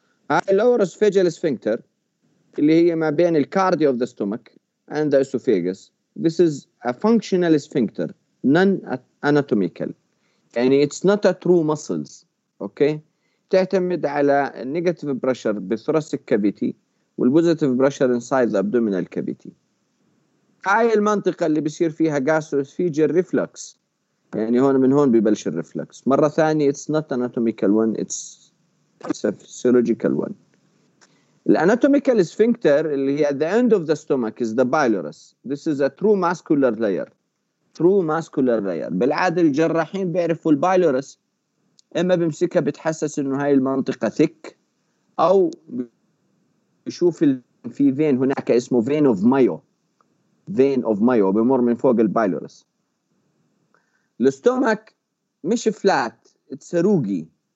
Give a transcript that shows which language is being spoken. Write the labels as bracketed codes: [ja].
[en] هاي اللور esophageal sphincter [ar] اللي هي ما بين [en] الكارديو of the stomach and the esophagus. This is a functional sphincter, non-anatomical. [ar] يعني [en] it's not a true muscles. Okay? [ar] تعتمد على [en] negative pressure in the thoracic cavity والpositive pressure inside the abdominal cavity. [ar] هاي المنطقة اللي بيصير فيها gastroesophageal reflux. يعني هون من هون بيبلش الreflux. مرة ثانية [en] it's not anatomical one, it's a physiological one. الاناتوميكال sphincter [ar] اللي هي [en] at the end of the stomach is the bilorus. This is a true muscular layer. True muscular layer. [ar] بالعادة الجراحين بيعرفوا البايلورس اما بمسكها بتحسس انه هاي المنطقة [en] thick [ar] او بيشوف في vein هناك اسمه vein of mayo. Vein of mayo بيمر من فوق البايلورس. الستومك مش flat. [en] It's a [ar] روجي.